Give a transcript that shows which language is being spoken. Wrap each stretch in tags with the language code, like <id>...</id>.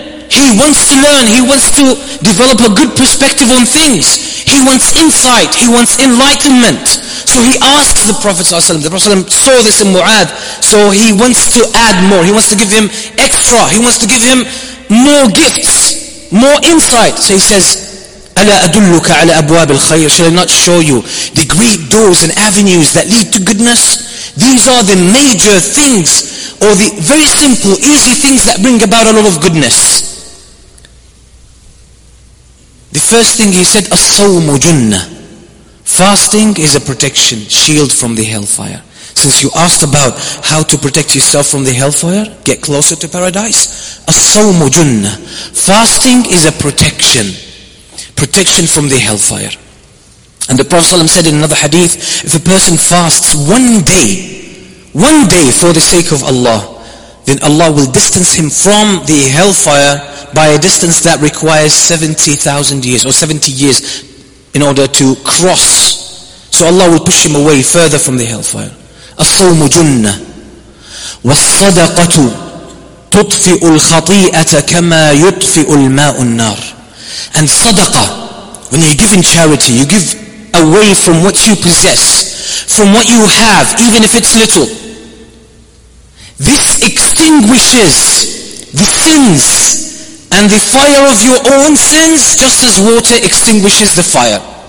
<en>He wants to learn, he wants to develop a good perspective on things. He wants insight, he wants enlightenment. So he asks the Prophet ﷺ, the Prophet ﷺ saw this in Mu'adh, so he wants to add more, he wants to give him extra, he wants to give him more gifts, more insight. So he says,</en> <ar>أَلَا أَدُلُّكَ عَلَىٰ أَبْوَابِ الْخَيْرِ.</ar> <en>Shall I not show you the great doors and avenues that lead to goodness? These are the major things, or the very simple, easy things that bring about a lot of goodness. The first thing he said,</en> <ar>الصوم جنة.</ar> <en>Fasting is a protection, shield from the hellfire. Since you asked about how to protect yourself from the hellfire, get closer to paradise.</en> <ar>الصوم جنة.</ar> <en>Fasting is a protection. Protection from the hellfire. And the Prophet ﷺ said in another hadith, if a person fasts one day for the sake of Allah, then Allah will distance him from the hellfire by a distance that requires 70,000 years or 70 years in order to cross. So Allah will push him away further from the hellfire.</en> <ar>الصوم جنة والصدقة تطفئ الخطيئة كما يطفئ الماء النار.</ar> <en>And sadaqah, when you give in charity, you give away from what you possess, from what you have, even if it's little. This extinguishes the sins and the fire of your own sins, just as water extinguishes the fire.</en>